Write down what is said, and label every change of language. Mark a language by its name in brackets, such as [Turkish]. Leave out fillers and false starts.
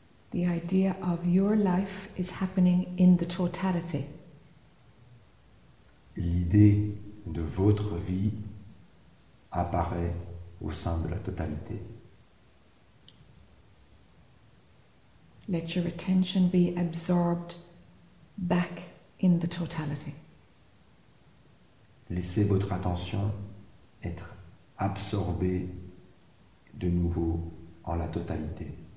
[English] The idea of your life is happening in the totality. [French] L'idée de votre vie apparaît au sein de la totalité. [English] Let your attention be absorbed back in the totality. [French] Laissez votre attention être absorbée de nouveau en la totalité.